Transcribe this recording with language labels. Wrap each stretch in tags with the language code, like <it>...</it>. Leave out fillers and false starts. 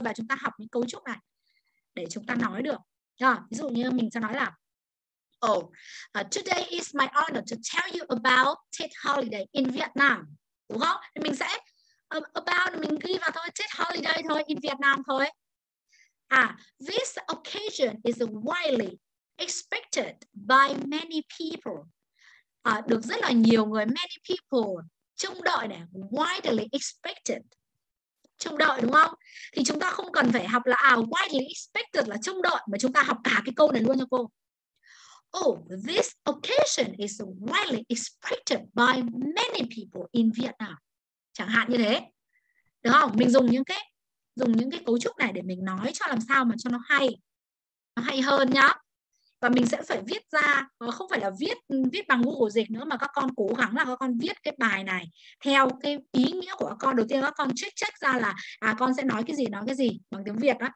<vi>Và chúng ta học những cấu trúc này để chúng ta nói được. Ví dụ như mình sẽ nói là</vi> <en>today is my honor to tell you about Tết Holiday in Vietnam.</en> <vi>Đúng không? Thì mình sẽ about mình ghi vào thôi, Tết Holiday thôi, in Vietnam thôi.</vi> <en>This occasion is widely expected by many people.</en> <vi>Được rất là nhiều người,</vi> <en>many people,</en> <vi>trông đợi này,</vi> <en>widely expected.</en> <vi>Trông đợi đúng không? Thì chúng ta không cần phải học là</vi> <en>widely expected</en> <vi>là trông đợi, mà chúng ta học cả cái câu này luôn cho cô.</vi> <en>This occasion is widely expected by many people in Vietnam.</en> <vi>Chẳng hạn như thế. Được không? Mình dùng những cái cấu trúc này để mình nói cho làm sao mà cho nó hay. Nó hay hơn nhá. Và mình sẽ phải viết ra, không phải là viết bằng Google dịch nữa, mà các con cố gắng là các con viết cái bài này theo cái ý nghĩa của các con. Đầu tiên các con check ra là con sẽ nói cái gì bằng tiếng Việt đó.</vi>